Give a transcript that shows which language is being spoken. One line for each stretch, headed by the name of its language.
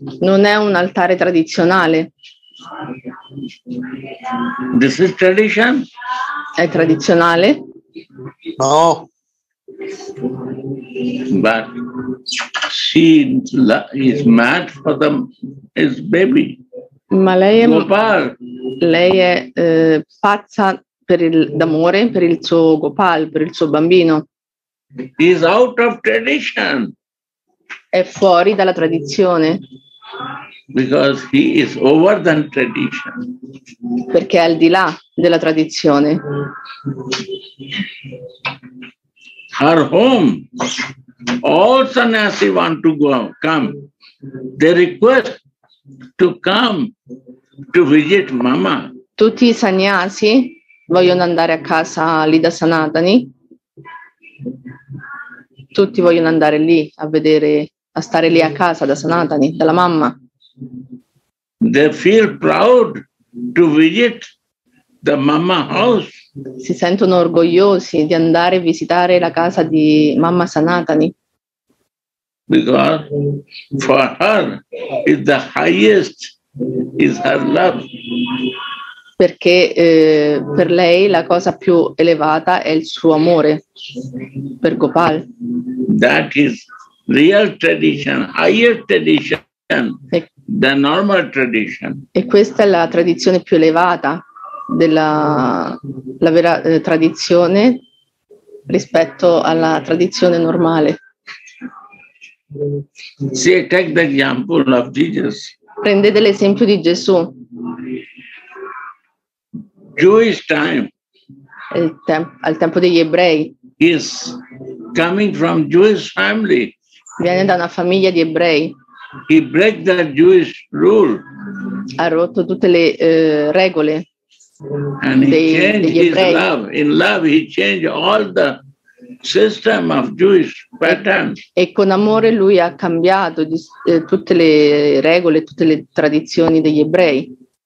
Italian: Non è un altare tradizionale.
English: This is tradition?
Italian: È tradizionale?
English: No. But she is mad for the his baby.
Italian: Ma lei è pazza per il d'amore per il suo Gopal, per il suo bambino.
English: Is out of tradition.
Italian: È fuori dalla tradizione.
English: Because he is over than tradition.
Italian: Perché è al di là della tradizione.
English: Her home, all sannyasi want to go, come. They request to come to visit mama.
Italian: Tutti i sannyasi vogliono andare a casa lì da Sanatani. Tutti vogliono andare lì a vedere, a stare lì a casa da Sanatani, dalla mamma.
English: They feel proud to visit the mama house.
Italian: Si sentono orgogliosi di andare a visitare la casa di mamma Sanatani.
English: Because for her is the highest is her love.
Italian: Perché per lei la cosa più elevata è il suo amore per Gopal.
English: That is real tradition, higher tradition. The normal tradition.
Italian: E questa è la tradizione più elevata della la vera tradizione rispetto alla tradizione normale.
English: See, take the example of Jesus.
Italian: Prendete l'esempio di Gesù.
English: Jewish time.
Italian: Al tempo degli ebrei.
English: Is coming from Jewish family.
Italian: Viene da una famiglia di ebrei.
English: He break the Jewish rule.
Italian: Ha rotto tutte le regole.
English: And he changed his love. In love he changed all the system of Jewish patterns.
Italian: E con amore lui ha cambiato tutte le regole, tutte le tradizioni degli ebrei.